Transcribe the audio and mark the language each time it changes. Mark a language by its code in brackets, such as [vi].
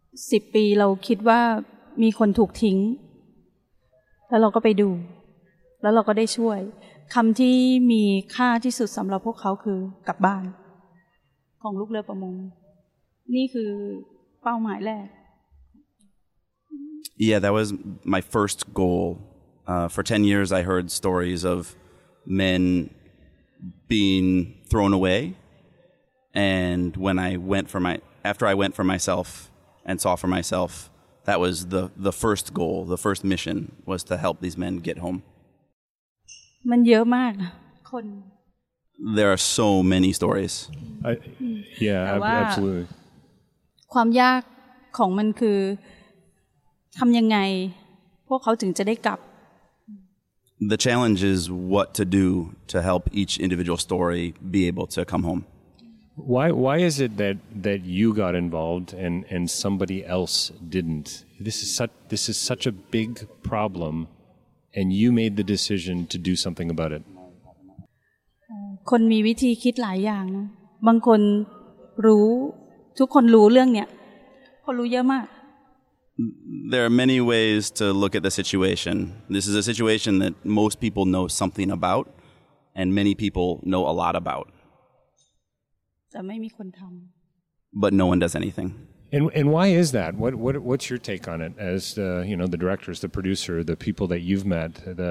[th] สิบปีเราคิดว่ามีคนถูกทิ้งแล้วเราก็ไปดูแล้วเราก็ได้ช่วยคำที่มีค่าที่สุดสำหรับพวกเขาคือกลับบ้านของลูกเรือประมงนี่คือเป้าหมายแรก [en] Yeah, that was my first goal. For 10 years, I heard stories of men being thrown away. And when I went for my... After I went for myself... and saw for myself, that was the first goal, the first mission, was to help these men get home. [th] มันเยอะมากคน [en] There are so many stories. Absolutely. [th] ความยากของมันคือทำยังไงพวกเขาถึงจะได้กลับ [en] The challenge is what to do to help each individual story be able to come home. Why is it that you got involved and somebody else didn't? This is such a big problem, and you made the decision to do something about it. [th] คนมีวิธีคิดหลายอย่างบางคนรู้ทุกคนรู้เรื่องเนี้ยคนรู้เยอะมาก [en] There are many ways to look at the situation. This is a situation that most people know something about, and many people know a lot about. [th] แต่ไม่มีคนทำ [en] But no one does anything. And why is that? What's your take on it as the directors, the producer, the people that you've met?